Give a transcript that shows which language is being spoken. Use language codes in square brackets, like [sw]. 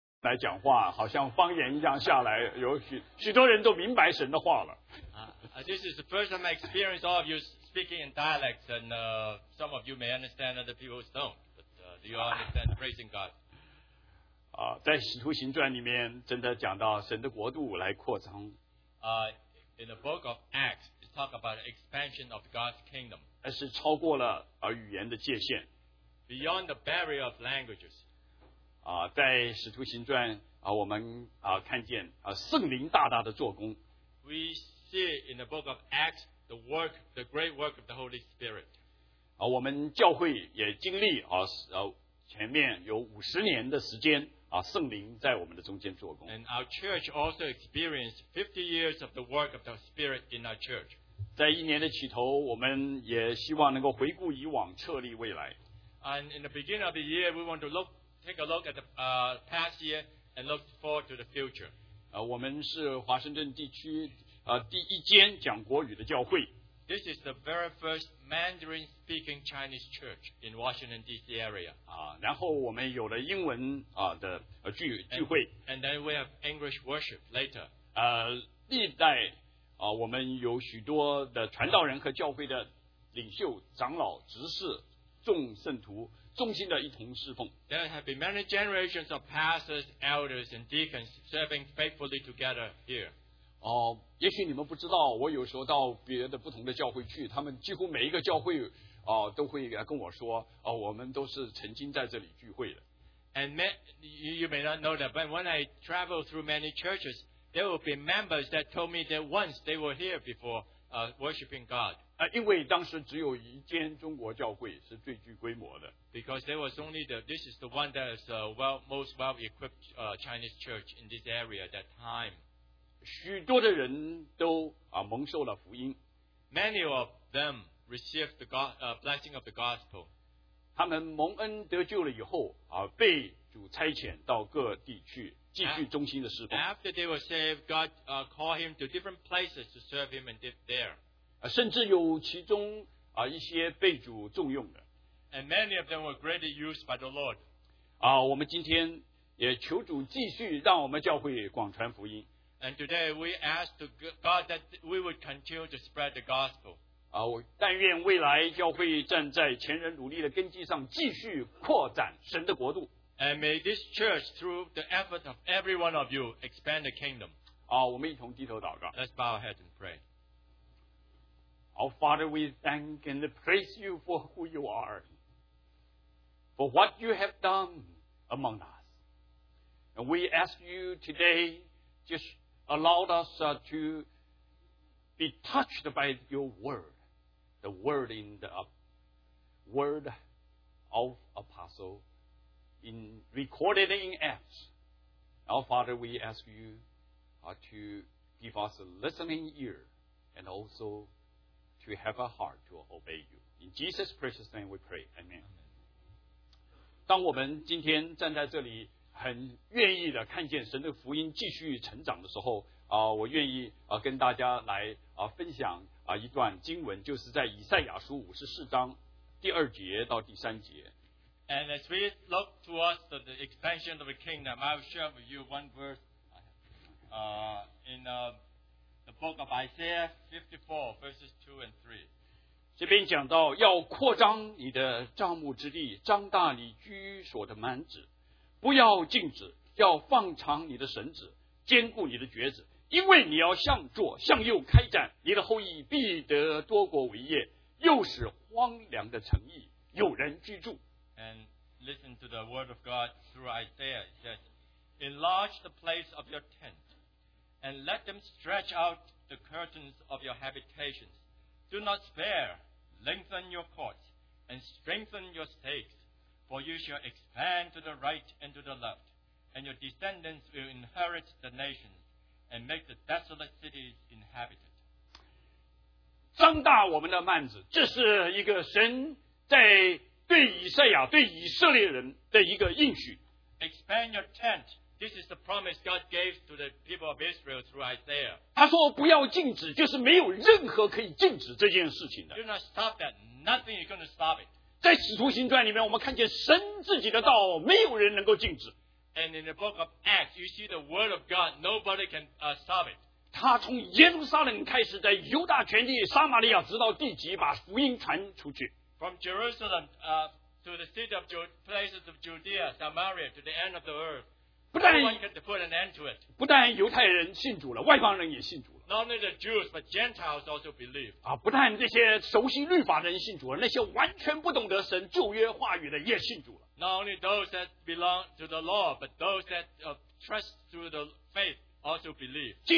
[zh] 来讲话，好像方言一样下来，有许多人都明白神的话了。 [en] This is the first time I experience all of you speaking in dialects, and some of you may understand other people's tone, but do you all understand praising God? [zh] 在使徒行传里面真的讲到神的国度来扩张。 [en] In the book of Acts, it talks about the expansion of God's kingdom. [zh] 而是超过了语言的界限。 [en] Beyond the barrier of languages. [zh] 在使徒行传我们看见圣灵大大的做工。 [en] We see in the book of Acts the work, the great work of the Holy Spirit. [zh] 我们教会也经历前面有五十年的时间圣灵在我们的中间做工。 [en] And our church also experienced 50 years of the work of the Spirit in our church. [zh] 在一年的起头，我们也希望能够回顾以往，策立未来。 [en] And in the beginning of the year, we want to take a look at the past year and look forward to the future. [zh] 我们是华盛顿地区第一间讲国语的教会。 [en] This is the very first Mandarin-speaking Chinese church in Washington, D.C. area. [zh] 然后我们有了英文的聚会。 [en] And then we have English worship later. [zh] 历代我们有许多的传道人和教会的领袖、长老、执事、众圣徒、忠心的一同侍奉。 [en] There have been many generations of pastors, elders, and deacons serving faithfully together here. [zh] 也许你们不知道，我有时候到别的不同的教会去，他们几乎每一个教会都会跟我说我们都是曾经在这里聚会的。 [en] And you may not know that, but when I travel through many churches, there will be members that told me that once they were here before worshiping God. [zh] 因为当时只有一间中国教会是最具规模的。 [en] Because there was only this is the one that is most well equipped Chinese church in this area at that time. [zh] 许多的人都蒙受了福音。 [en] Many of them received the blessing of the gospel. [zh] 他们蒙恩得救了以后被主差遣到各地去继续忠心的侍奉。 [en] After they were saved, God called him to different places to serve him and live there. [zh] 甚至有其中一些被主重用的。 [en] And many of them were greatly used by the Lord. [zh] 我们今天也求主继续让我们教会广传福音。 [en] And today we ask to God that we would continue to spread the gospel. [zh] 但愿未来教会站在前人努力的根基上继续扩展神的国度。 [en] And may this church, through the effort of every one of you, expand the kingdom. [zh] 我们一同低头祷告。 [en] Let's bow our heads and pray. Our Father, we thank and praise you for who you are, for what you have done among us. And we ask you today,just allowed us to be touched by your word, the word in the word of apostle in recorded in Acts. Our Father, we ask you to give us a listening ear and also to have a heart to obey you. In Jesus' precious name we pray. Amen. [zh] 当我们今天站在这里很愿意的看见神的福音继续成长的时候我愿意跟大家来分享一段经文，就是在以赛亚书五十四章第二节到第三节。 [en] And as we look towards the expansion of the kingdom, I will share with you one verse in the book of Isaiah 54 verses 2 and 3. [zh] 这边讲到要扩张你的帐幕之地，张大你居所的幔子，不要静止，要放长你的绳子，坚固你的橛子，因为你要向左向右开展，你的后裔必得多国为业，又使荒凉的城邑有人居住。 [en] And listen to the word of God through Isaiah. It says, enlarge the place of your tent, and let them stretch out the curtains of your habitations. Do not spare, lengthen your cords, and strengthen your stakesFor you shall expand to the right and to the left, and your descendants will inherit the nations and make the desolate cities inhabited. [zh] 张大我们的幔子，这是一个神在对以赛亚、对以色列人的一个应许。 [en] Expand your tent. This is the promise God gave to the people of Israel through Isaiah. [zh] 他说不要禁止，就是没有任何可以禁止这件事情的。 [en] Do not stop that. Nothing is going to stop it. [zh] 在使徒行传里面我们看见神自己的道没有人能够禁止。 [en] and in the book of Acts, you see the word of God, nobody can stop it. [zh] 他从耶路撒冷开始，在犹大全地、撒玛利亚，直到地极，把福音传出去。 [en] From Jerusalem to the city of places of Judea, Samaria, to the end of the earth. [zh] 不但犹太人信主了，外邦人也信主了。 [en] Not only the Jews, but Gentiles also believe. [zh] 不但这些熟悉律法的人信主了，那些完全不懂得神旧约话语的也信主了。 [en] Not only those that belong to the law, but those that trust through the faith also believe.